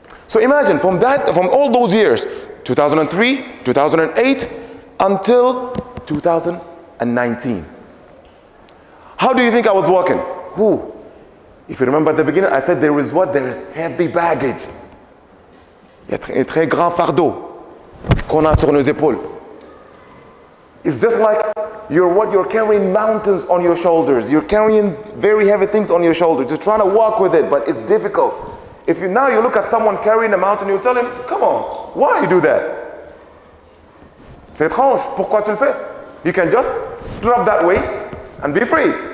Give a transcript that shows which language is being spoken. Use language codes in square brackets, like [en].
[en] So imagine from all those years, 2003, 2008, until 2019. How do you think I was walking? Who? If you remember at the beginning, I said there is heavy baggage. [fr] Il y a un très grand fardeau qu'on a sur nos épaules. [en] It's just like you're carrying mountains on your shoulders. You're carrying very heavy things on your shoulders. You're trying to walk with it, but it's difficult. If you look at someone carrying a mountain, you tell him, come on, why you do that? [fr] C'est étrange, pourquoi tu le fais? [en] You can just drop that weight and be free.